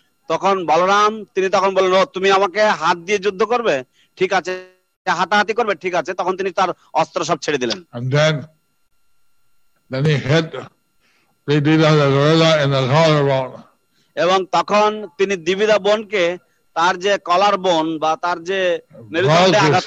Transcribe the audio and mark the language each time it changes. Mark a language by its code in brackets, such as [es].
[bn] তখন বলরাম তিনি তখন বললেন, তুমি আমাকে হাত দিয়ে যুদ্ধ করবে, ঠিক আছে, হাতাহাতি করবে, ঠিক আছে. তখন তিনি তার অস্ত্র সব ছেড়ে দিলেন. [en] Then he hit Vidida the gorilla in the collarbone. [bn] এবং তখন তিনি দিবিদা বোনকে তার যে কলার বোন বা তার যে মেরুদণ্ডে আঘাত